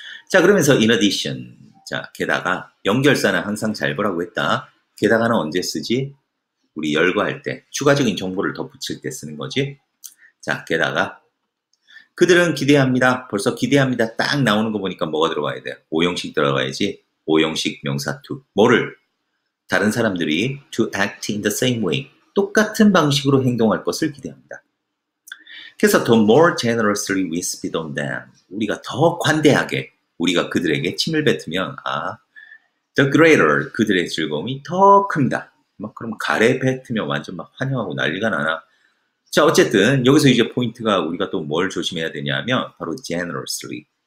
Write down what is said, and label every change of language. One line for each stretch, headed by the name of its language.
Korean: 자, 그러면서
English: in addition,
Korean: 자, 게다가 연결사는 항상 잘 보라고 했다. 게다가는 언제 쓰지? 우리 열거할 때, 추가적인 정보를 덧붙일 때 쓰는 거지. 자, 게다가 그들은 기대합니다. 벌써 기대합니다. 딱 나오는 거 보니까 뭐가 들어가야 돼? 오형식 들어가야지. 오형식 명사 to 뭐를? 다른 사람들이
English: to act in the same way.
Korean: 똑같은 방식으로 행동할 것을 기대합니다. 그래서
English: the more generously we spit on them,
Korean: 우리가 더 관대하게 우리가 그들에게 침을 뱉으면, 아,
English: the greater,
Korean: 그들의 즐거움이 더 큽니다. 막 그럼 가래 뱉으면 완전 막 환영하고 난리가 나나. 자, 어쨌든 여기서 이제 포인트가 우리가 또뭘 조심해야 되냐면 바로 generously.